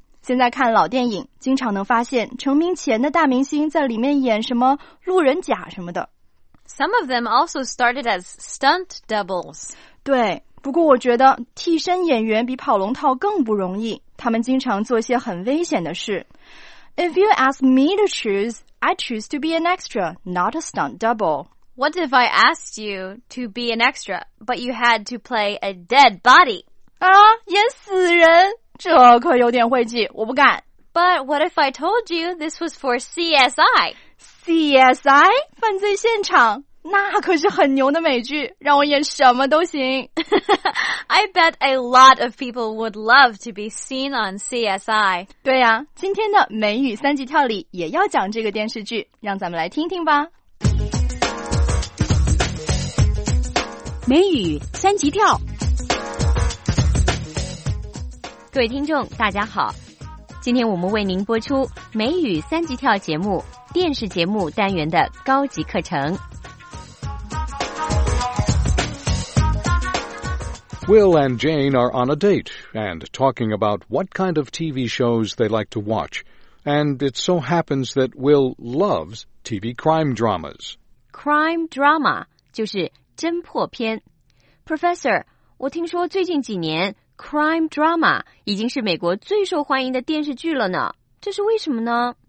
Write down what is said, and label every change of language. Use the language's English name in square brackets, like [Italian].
[Chinese] 现在看老电影，经常能发现成名前的大明星在里面演什么路人甲什么的。 [English] Some of them also started as stunt doubles。 [Chinese] 对，不过我觉得替身演员比跑龙套更不容易，他们经常做些很危险的事。 [English] If you ask me to choose, I choose to be an extra, not a stunt double. What if I asked you to be an extra, but you had to play a dead body? [Chinese] 啊，演死人，这可有点晦气，我不敢。 [English] But what if I told you this was for CSI? [Chinese] CSI? 犯罪现场？那可是很牛的美剧，让我演什么都行。 [English] I bet a lot of people would love to be seen on CSI. [Chinese] 对呀，今天的美语三级跳里也要讲这个电视剧，让咱们来听听吧。美语三级跳。各位听众，大家好。今天我们为您播出美语三级跳节目，电视节目单元的高级课程。 [English] Will and Jane are on a date and talking about what kind of TV shows they like to watch. And it so happens that Will loves TV crime dramas. [Chinese] Crime drama 就是侦破片。Professor, 我听说最近几年 crime drama 已经是美国最受欢迎的电视剧了呢。这是为什么呢？